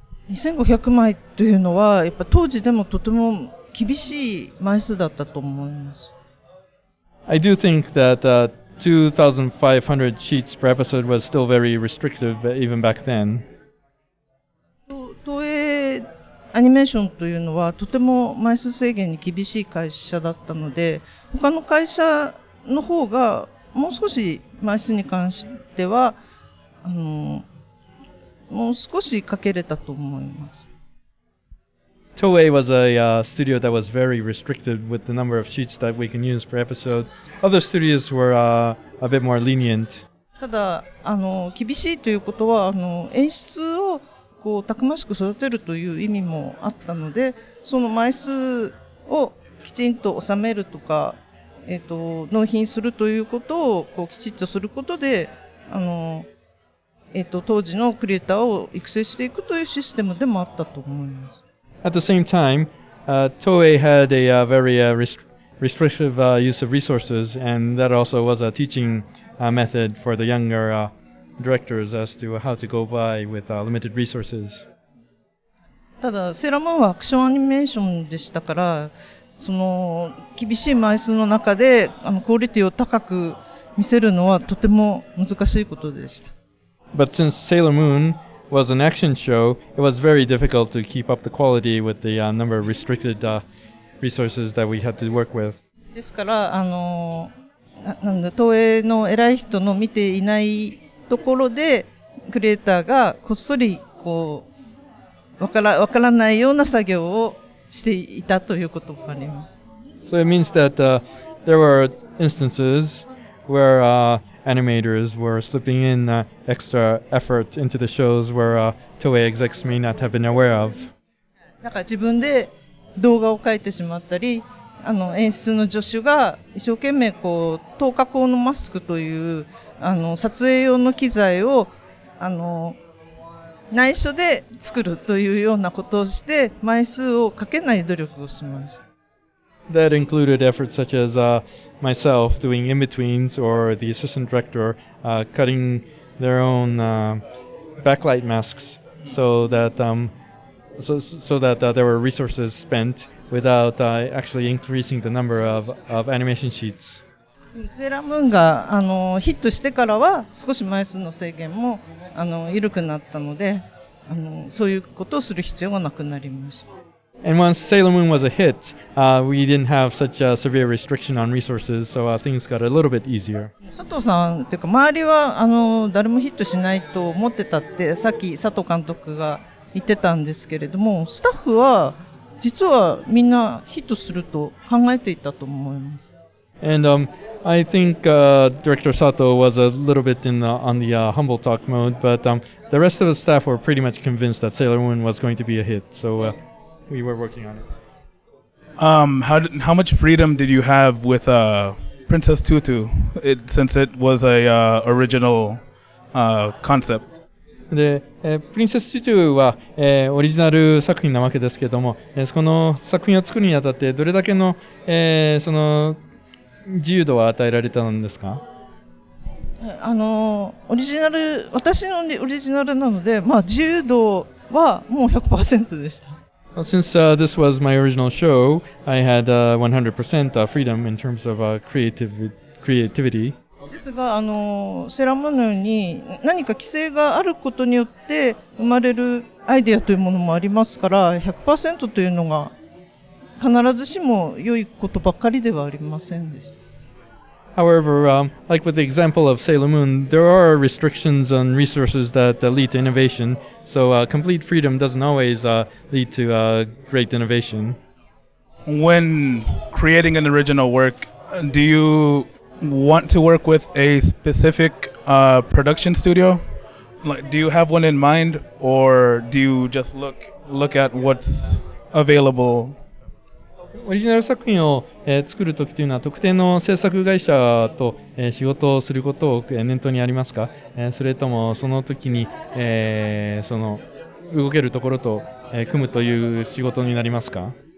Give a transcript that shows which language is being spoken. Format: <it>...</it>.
<ja>2500枚というのはやっぱ当時でもとても厳しい枚数だったと思います。</ja> <en>I do think that 2500 sheets per episode was still very restrictive even back then.</en> <ja>東映アニメーションというのはとても枚数制限に厳しい会社だったので、他の会社の方がもう少し枚数に関しては、もう少しかけれたと思います。</ja> <en>Toei was a studio that was very restricted with the number of sheets that we can use per episode. Other studios were a bit more lenient.</en> <ja>ただ、厳しいということは、演出をこうたくましく育てるという意味もあったので、その枚数をきちんと収めるとか、納品するということをこうきちっとすることで、当時のクリエイターを育成していくというシステムでもあったと思います。</ja> <en>At the same time, Toei had a very restrictive use of resources, and that also was a teaching method for the younger directors as to how to go by with limited resources.</en> <ja>ただセーラームーンはアクションアニメーションでしたからその厳しい枚数の中であのクオリティを高く見せるのはとても難しいことでした。</ja> <en>But since Sailor Moon was an action show, it was very difficult to keep up the quality with the number of restricted resources that we had to work with.</en> <ja>ですからあのなんだ東映の偉い人の見ていないところでクリエイターがこっそりこう分からないような作業をしていたということもあります。</ja> <en>So it means that there were instances where animators were slipping in extra effort into the shows where Toei execs may not have been aware of.</en> <ja>なんか自分で動画を描いてしまったり、あの演出の助手が一生懸命こう透過光のマスクというあの撮影用の機材をあの内緒で作るというようなことをして枚数をかけない努力をしました。</ja> <en>That included efforts such as myself doing in-betweens or the assistant director cutting their own backlight masks so that there were resources spent without actually increasing the number of animation sheets.</en> <ja>セーラームーンがあのヒットしてからは少し枚数の制限もあの緩くなったのであのそういうことをする必要がなくなりました。</ja> <en>And once Sailor Moon was a hit, we didn't have such a severe restriction on resources, so things got a little bit easier.</en> <ja>佐藤さんというか周りはあの誰もヒットしないと思ってたってさっき佐藤監督が言ってたんですけれども、スタッフは実はみんなヒットすると考えていたと思います。</ja> <en>And I think Director Sato was a little bit in the, on the humble talk mode, but the rest of the staff were pretty much convinced that Sailor Moon was going to be a hit, so... We were working on it. How much freedom did you have with Princess Tutu, since it was a original concept?</en> <ja>で、プリンセス・トゥトゥは、オリジナル作品なわけですけども、この作品を作るにあたってどれだけの、その自由度は与えられたんですか？あのオリジナル、私のオリジナルなので、まあ自由度はもう 100% でした。</ja> <en>Well, since this was my original show, I had 100% freedom in terms of creativity.</en> <ja>ですが、あのセラムヌに何か規制があることによって生まれるアイデアというものもありますから、100% というのが必ずしも良いことばかりではありませんでした。</ja> <en>However, like with the example of Sailor Moon, there are restrictions on resources that lead to innovation. So complete freedom doesn't always lead to great innovation. When creating an original work, do you want to work with a specific production studio? Like, do you have one in mind, or do you just look at what's available?</en> <ja>オリジナル作品を作るときというのは特定の制作会社と仕事をすることを念頭にありますか？それともそのときにその動けるところと組むという仕事になりますか？</ja>